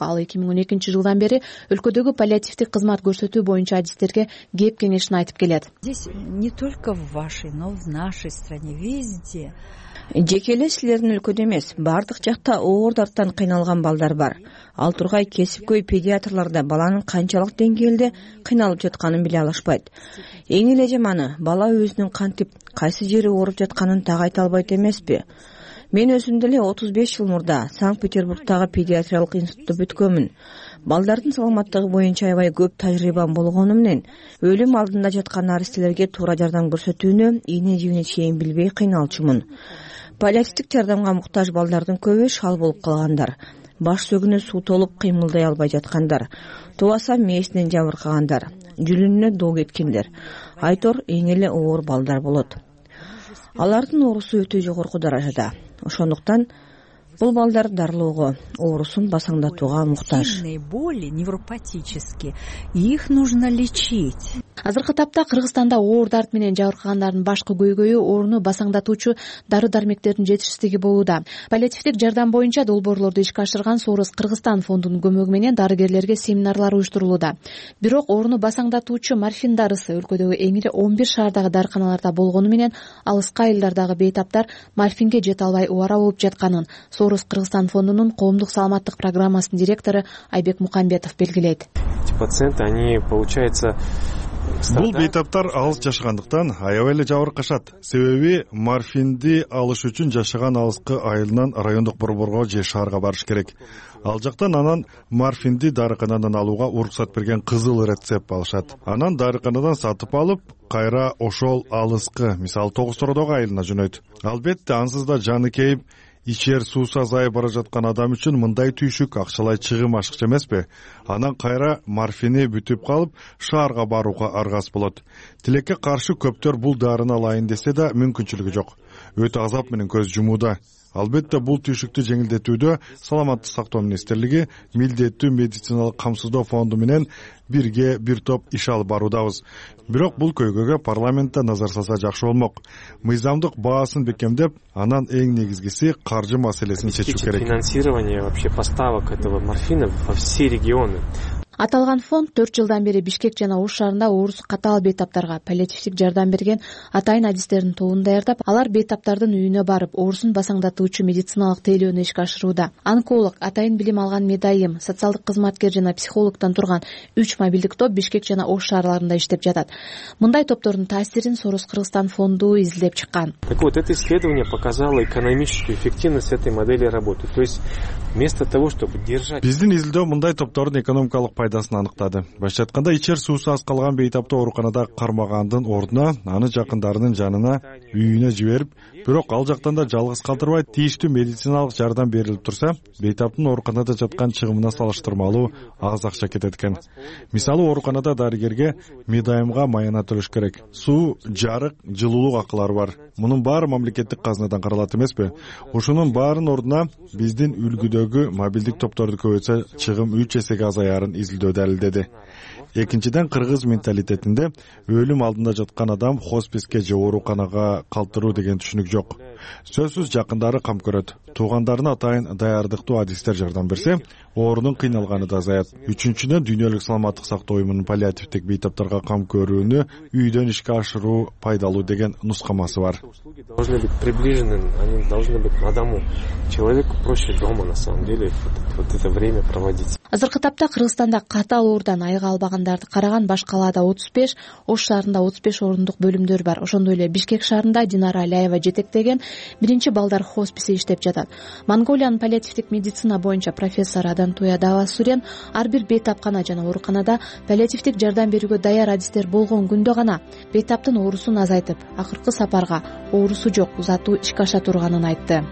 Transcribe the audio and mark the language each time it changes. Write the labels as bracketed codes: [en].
[ky] Ал 2012 жылдан бери өлкөдөгү паллиативтик кызмат көрсөтүү боюнча адистерге кеп кеңешин айтып келет. [ru] Здесь не только в вашей, но в нашей стране, везде. [ky] Жеке эле силердин өлкөдө эмес, бардык жакта оор дарттан кыйналган балдар бар. Ал тургай кесипкөй педиатрлар да баланын канчалык деңгээлде кыйналып жатканын биле алышпайт. Эң эле жаманы, бала өзүнүн кантип, кайсы жери ооруп жатканын дагы айта албайт эмеспи? Мен өзүм деле 35 жыл мурда Санкт-Петербургтагы педиатриялык институтту бүткөмүн. Балдардын саламаттыгы боюнча аябай көп тажрыйбам болгону менен өлүм алдында жаткан наристелерге туура жардам көрсөтүүнү ийне жибине чейин билбей кыйналчумун. Паллиативтик жардамга муктаж балдардын көбү шал болуп калгандар, баш сөгүнө суу толуп кыймылдай албай жаткандар, тубаса мээсинен жабыркагандар, жүрүнүнө доо кеткендер, айтор эң эле оор балдар болот. Алардын оорусу өтө жогорку даражада. Ошондуктан бул балдар дарылоого, оорусун басаңдатууга муктаж. [ru] Боли невропатические, их нужно лечить. [ky] Азыркы тапта Кыргызстанда оор дарт менен жабыркагандардын башкы көйгөйү ооруну басаңдатуучу дары-дармектердин жетишсиздиги болууда. Паллиативтик жардам боюнча долбоорлорду ишке ашырган Сорос Кыргызстан фондунун көмөгү менен дарыгерлерге семинарлар уюштурулууда. Бирок ооруну басаңдатуучу морфин дарысы өлкөдөгү эң эле 11 шаардагы дарыканаларда болгону менен алыска айылдардагы бейтаптар морфинге жете албай убара болуп жатканын Сорос Кыргызстан фондунун коомдук саламаттык программасынын директору Айбек Мухамбетов белгилейт. [ru] Пациенты, они, получается, [ky] бул бейтаптар алыс жашагандыктан аябай эле жабыркашат. Себеби морфинди алыш үчүн жашаган алыскы айылынан райондук борборго же шаарга барыш керек. Ал жактан анан морфинди дарыканадан алууга уруксат берген кызыл рецепт алышат. Анан дарыканадан сатып алып, кайра ошол алыскы, мисалы Тогуз Тородогу айылына жөнөйт. Албетте, ансыз да жаны кейип, ичер суусу азайып бара жаткан адам үчүн мындай түйшүк акчалай чыгым ашыкча эмеспи? Анан кайра морфини бүтүп калып, шаарга барууга аргас болот. Тилекке каршы көптөр бул дарыны алайын десе да мүмкүнчүлүгү жок. Өтө азап менен көз жумууда. Албетте, бул түйшүктү жеңилдетүүдө Саламаттык сактоо министрлиги милдеттүү медициналык камсыздоо фонду менен бирге бир топ иш алып баруудабыз. Бирок бул көйгөйгө парламентте назар салса жакшы болмок. Мыйзамдык баасын бекемдеп, анан эң негизгиси каржы маселесин чечүү керек. [ru] Финансирование вообще поставок этого морфина во все регионы. [ky] Аталган фонд 4 жылдан бери Бишкек жана Ош шаарында орус катаал бейтаптарга паллиативдик жардам берген атайын адистердин тобун даярдап, алар бейтаптардын үйүнө барып, орусун басаңдатуучу медициналык тейлөөнү ишке ашырууда. Онколог, атайын билим алган медайым, социалдык кызматкер жана психологтон турган 3 мобилдик топ Бишкек жана Ош шаарларында иштеп жатат. Мындай топтордун таасирин Сорос Кыргызстан фонду изилдеп чыккан. [ru] Так вот, это исследование показало экономическую эффективность этой модели работы. То есть, вместо того, чтобы держать [ky] Биздин изилдөө мындай топтордун экономикалык пайдасын аныктады. Башча айтканда, ичер суусу аз калган бейтапты ооруканада кармагандын ордуна, аны жакындарынын жанына, үйүнө жиберип, бирок ал жактан да жалгыз калтырбай тийиштүү медициналык жардам берилип турса, бейтаптын ооруканада жаткан чыгымына салыштырмалуу аз акча кетет экен. Мисалы, ооруканада дарыгерге медайымга маяна төлөш керек. Суу, жарык, жылуулук акылары бар. Мунун баары мамлекеттик казынадан каралат эмеспи? Ушунун баарын ордуна биздин үлгүдөгү мобилдик топторду көбөйтсө чыгым 3 эсеге азаяр изилдөө далилдеди. Экинчиден, кыргыз менталитетинде өлүм алдында жаткан адам хосписке же ооруканага калтыруу деген түшүнүк жок. Сөзсүз жакындары кам көрөт. Туугандарына атайын даярдыктуу адистер жардам берсе, оорунун кыйналганы да азаят. Үчүнчүдөн, дүйнөлүк саламаттык сактоо уюмунун паллиативдик бейтаптарга кам көрүүнү үйдөн ишке ашыруу пайдалуу деген нускамасы бар. [ru] Должны быть приближены, они должны быть к адаму. Человеку проще дома на самом деле вот это время проводить. [ky] Азыркы тапта Кыргызстанда катаал оордан айыга албагандарды караган башка калада 35, Ош шаарында 35 орундук бөлүмдөр бар. Ошондой эле Бишкек шаарында Динара Алиева жетектеген биринчи балдар хосписи иштеп жатат. Монголиянын паллиативдик медицина боюнча профессор Адан Туядава Сурен ар бир бейтапкана жана ооруканада паллиативдик жардам берүүгө даяр адистер болгон күндө гана бейтаптын оорусун азайтып, акыркы сапарга оорусу жок узатуу ишке аша турганын айтты.